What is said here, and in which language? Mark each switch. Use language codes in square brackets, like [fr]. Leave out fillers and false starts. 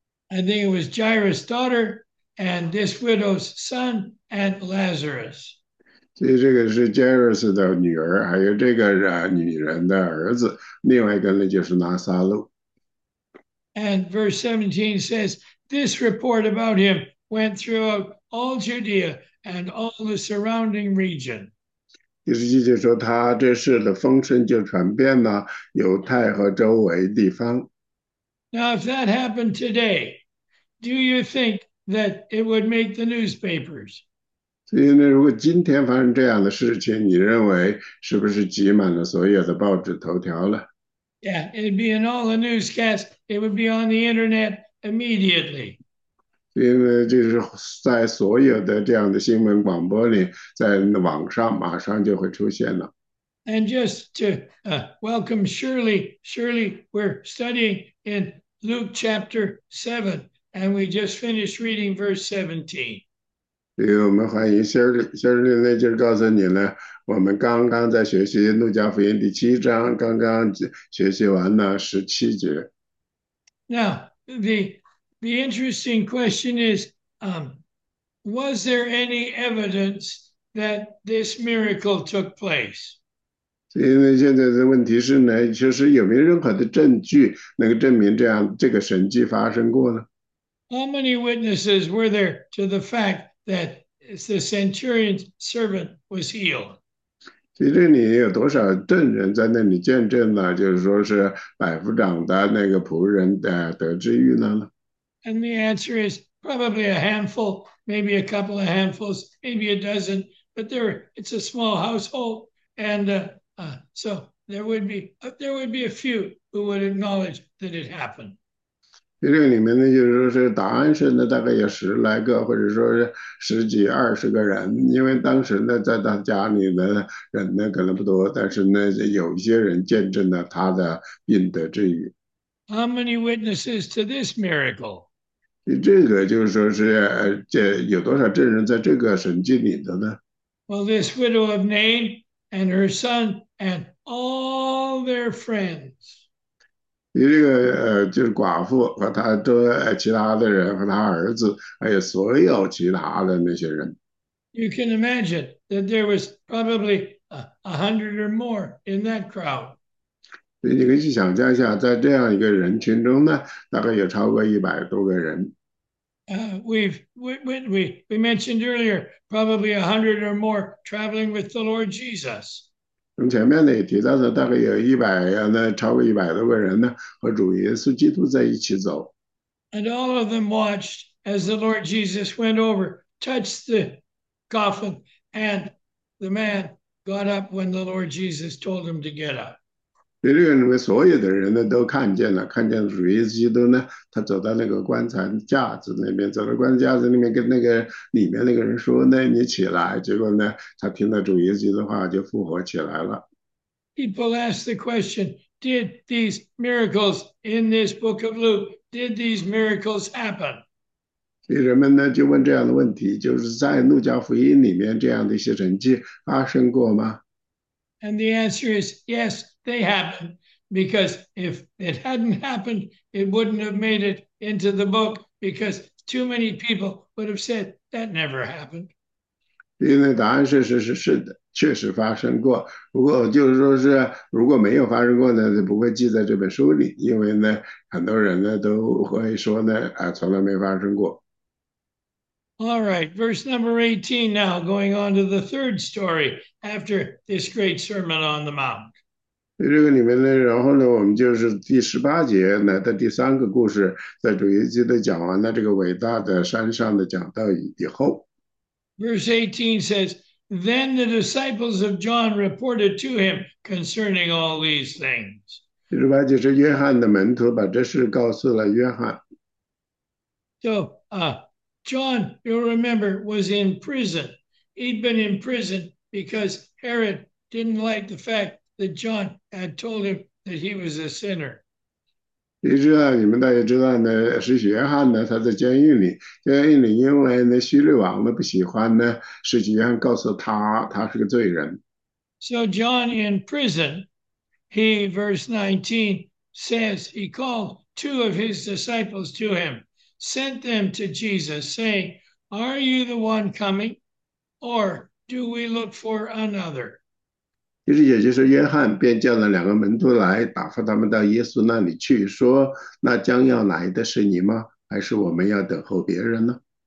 [en] I think it was Jairus' daughter and this widow's son and Lazarus. [zh] 所以这个是 Jairus 的女儿，还有这个女人的儿子，另外一个呢就是拿撒勒。 [en] And verse 17 says, this report about him went throughout all Judea. And all the surrounding region. [zh] 第17节说，他这事的风声就传遍了犹太和周围地方。 [en] Now, if that happened today, do you think that it would make the newspapers? [zh] 所以呢，如果今天发生这样的事情，你认为是不是挤满了所有的报纸头条了？ [en] Yeah, it'd be in all the newscasts, it would be on the internet immediately. [zh] 因为就是在所有的这样的新闻广播里，在网上马上就会出现了。 [en] And just to welcome Shirley, we're studying in Luke chapter 7, and we just finished reading verse 17. [zh] 所以我们欢迎先生，那就是告诉你呢，我们刚刚在学习《路加福音》第7章，刚刚学习完了17节。 [en] Now, the interesting question is, was there any evidence that this miracle took place? [zh] 所以呢，现在的问题是呢，就是有没有任何的证据能够证明这个神迹发生过呢？ [en] How many witnesses were there to the fact that the centurion's servant was healed? [zh] 所以这里有多少证人在那里见证呢？就是说是百夫长的那个仆人的得知遇呢？ [en] And the answer is probably a handful, maybe a couple of handfuls, maybe a dozen, but it's a small household, and so there would be a few who would acknowledge that it happened. [zh] 这个里面呢，就是说是答案是呢，大概有10来个，或者说是10几20个人，因为当时呢，在他家里的人呢可能不多，但是呢，有一些人见证了他的病得治愈。 [en] How many witnesses to this miracle? [zh] 你这个就是说是这有多少证人在这个神迹里的呢？ [en] Well, this widow of Nain and her son and all their friends. [zh] 你这个就是寡妇和他的其他的人和他儿子，还有所有其他的那些人。 [en] You can imagine that there was probably a hundred or more in that crowd. [zh] 所以你可以去想象一下，在这样一个人群中呢，大概有超过100多个人。 [en] We mentioned earlier probably 100 or more traveling with the Lord Jesus. [zh] 从前面呢也提到的，大概有超过100多个人呢，和主耶稣基督在一起走。 [en] And all of them watched as the Lord Jesus went over, touched the coffin, and the man got up when the Lord Jesus told him to get up. [zh] 这个里面所有的人呢都看见了，看见主耶稣基督呢，他走到那个棺材架子那边，走到棺材架子那边，跟那个里面那个人说：“那你起来。” 结果呢，他听到主耶稣基督的话，就复活起来了。 [en] People ask the question, did these miracles in this book of Luke, did these miracles happen? [zh] 所以人们呢就问这样的问题，就是在路加福音里面这样的一些神迹发生过吗？ [en] And the answer is yes, they happened, because if it hadn't happened, it wouldn't have made it into the book, because too many people would have said that never happened. [zh] 因为答案是的，确实发生过。不过就是说是如果没有发生过呢，就不会记在这本书里。因为呢，很多人呢都会说呢，啊，从来没发生过。 [en] All right, verse number 18 now, going on to the third story after this great Sermon on the Mount. [zh] 在这个里面呢，然后呢，我们就是第18节呢的第三个故事，在主耶稣的讲完了这个伟大的山上的讲道以后。 [en] Verse 18 says, Then the disciples of John reported to him concerning all these things. [zh] 18节是约翰的门徒把这事告诉了约翰。 [en] John, you'll remember, was in prison. He'd been in prison because Herod didn't like the fact that John had told him that he was a sinner. [zh] 你知道，你们大家知道呢，是约翰呢，他在监狱里，因为呢，希律王呢不喜欢呢，是约翰告诉他，他是个罪人。 [en] So John in prison, he, verse 19, says he called two of his disciples to him. Sent them to Jesus, saying, Are you the one coming, or do we look for another? [zh] 其实也就是约翰便叫了2个门徒来打发他们到耶稣那里去，说：“那将要来的是你吗？还是我们要等候别人呢